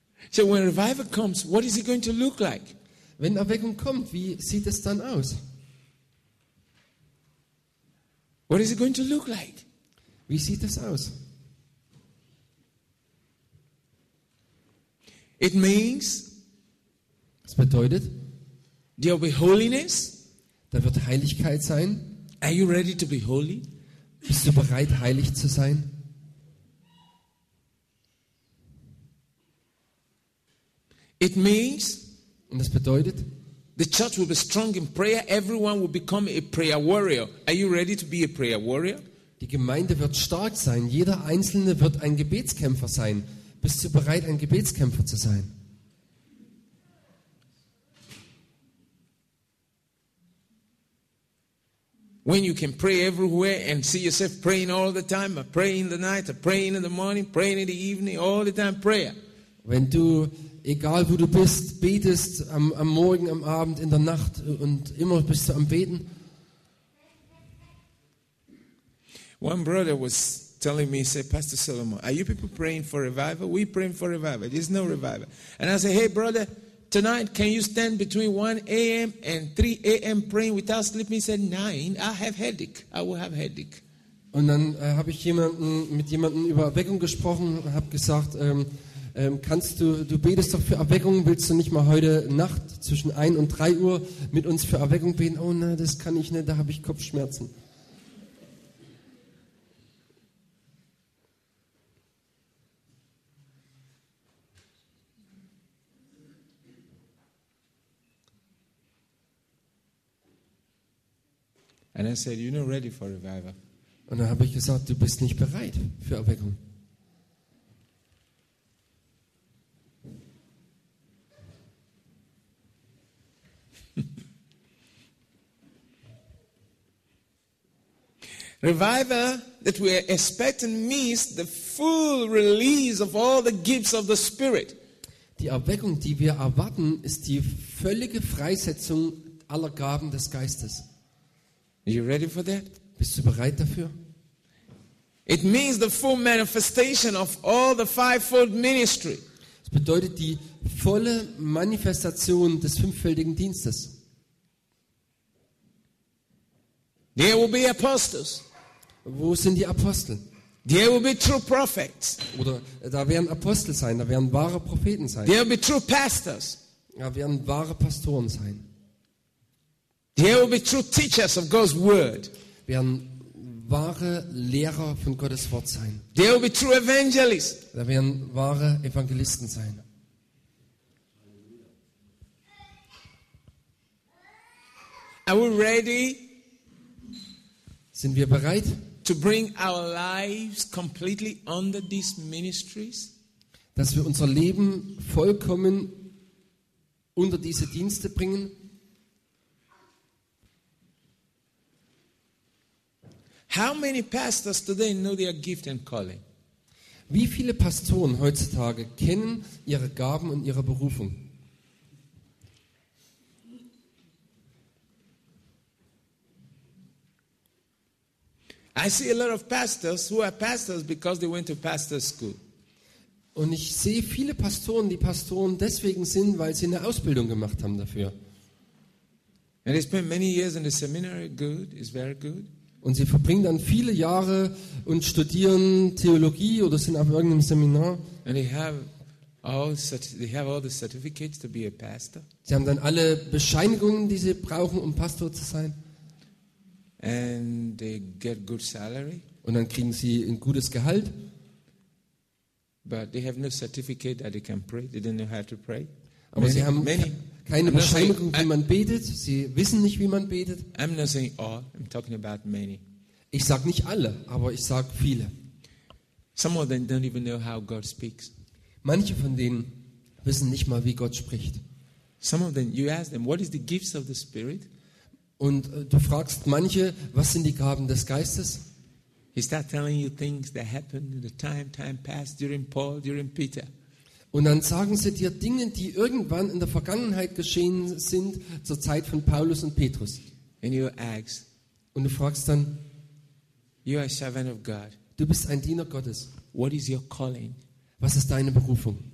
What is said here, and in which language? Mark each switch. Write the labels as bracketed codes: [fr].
[en] So when revival comes, what is it going to look like? [de] Wenn Erweckung kommt, wie sieht es dann aus? [en] What is it going to look like? [de] Wie sieht es aus? [en] It means. [de] Es bedeutet. [en] There will be holiness. [de] Da wird Heiligkeit sein. [en] Are you ready to be holy? [de] Bist du bereit, heilig zu sein? [en] It means. [de] Und das bedeutet. [en] The church will be strong in prayer. Everyone will become a prayer warrior. Are you ready to be a prayer warrior? [de] Die Gemeinde wird stark sein. Jeder Einzelne wird ein Gebetskämpfer sein. Bist du bereit, ein Gebetskämpfer zu sein? [en] When you can pray everywhere and see yourself praying all the time, I pray in the night, I pray in the morning, praying in the evening, all the time prayer. [de] Wenn du, egal wo du bist, betest am Morgen, am Abend, in der Nacht und immer bist du am Beten. [en] One brother was telling me, he said, Pastor Solomon, are you people praying for revival? We praying for revival. There's no revival. And I said, hey brother, tonight, can you stand between 1 a.m. and 3 a.m. praying without sleeping? He said, nein, I have headache. I will have headache. [de] Und dann habe ich mit jemandem über Erweckung gesprochen und habe gesagt, kannst du betest doch für Erweckung, willst du nicht mal heute Nacht zwischen 1 und 3 Uhr mit uns für Erweckung beten? Oh nein, das kann ich nicht, da habe ich Kopfschmerzen. [en] And I said, you're not ready for revival. [de] Und dann habe ich gesagt, du bist nicht bereit für Erweckung. [en] Revival that we are expecting means the full release of all the gifts of the Spirit. [de] Die Erweckung, die wir erwarten, ist die völlige Freisetzung aller Gaben des Geistes. [en] Are you ready for that? [de] Bist du bereit dafür? [en] It means the full manifestation of all the fivefold ministry. [de] Es bedeutet die volle Manifestation des fünffältigen Dienstes. [en] There will be apostles. [de] Wo sind die Apostel? [en] There will be true prophets. [de] Oder da werden Apostel sein, da werden wahre Propheten sein. [en] There will be true pastors. [de] Da werden wahre Pastoren sein. [en] There will be true teachers of God's word. [de] Werden wahre Lehrer von Gottes Wort sein. [en] There will be true evangelists. [de] Da werden wahre Evangelisten sein. [en] Are we ready? [de] Sind wir bereit? [en] To bring our lives completely under these ministries? [de] Dass wir unser Leben vollkommen unter diese Dienste bringen? [en] How many pastors today know their gift and calling? [de] Wie viele Pastoren heutzutage kennen ihre Gaben und ihre Berufung? [en] I see a lot of pastors who are pastors because they went to pastor school. [de] Und ich sehe viele Pastoren, die Pastoren deswegen sind, weil sie eine Ausbildung gemacht haben dafür. [en] And they spend many years in the seminary. Good, it's very good. [de] Und sie verbringen dann viele Jahre und studieren Theologie oder sind auf irgendeinem Seminar. [en] And they have all the certificates to be a pastor. [de] Sie haben dann alle Bescheinigungen, die sie brauchen, um Pastor zu sein. [en] And they get good salary. [de] Und dann kriegen sie ein gutes Gehalt. [en] But they have no certificate that they can pray. They don't know how to pray. [de] Aber sie haben keine Bescheinigung, wie man betet. Sie wissen nicht, wie man betet. [en] I'm not saying all. I'm talking about many. [de] Ich sage nicht alle, aber ich sage viele. [en] Some of them don't even know how God speaks. [de] Manche von denen wissen nicht mal, wie Gott spricht. [en] Some of them, you ask them, what is the gifts of the Spirit? [de] Und du fragst manche, was sind die Gaben des Geistes? [en] He start telling you things that happened in the time passed during Paul, during Peter. [de] Und dann sagen sie dir Dinge, die irgendwann in der Vergangenheit geschehen sind, zur Zeit von Paulus und Petrus. [en] And you ask, [de] und du fragst dann, [en] you are a servant of God. [de] Du bist ein Diener Gottes. [en] What is your calling? [de] Was ist deine Berufung?